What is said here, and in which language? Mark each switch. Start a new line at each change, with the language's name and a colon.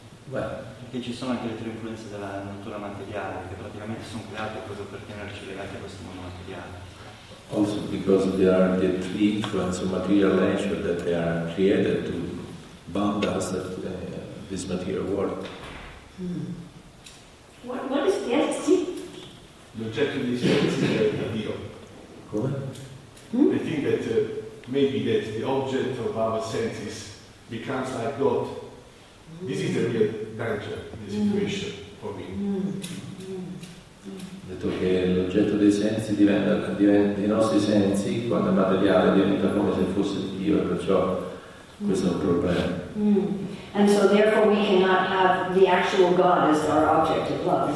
Italian: Perché ci sono anche le tre influenze della natura materiale che praticamente sono create proprio per tenerci legati a questo mondo materiale.
English: Also because there are the three influences of material nature that they are created to bound us to this material world. What is the essence?
Italian: L'oggetto di desiderio è Dio. Come?
English: I think that maybe that the object of our senses becomes like God. This is the real danger, the situation for me.
Italian: Detto che l'oggetto dei sensi diventa i nostri sensi quando il materiale diventa come se fosse Dio, e perciò questo è un problema.
English: And so therefore we cannot have the actual God as our object of love.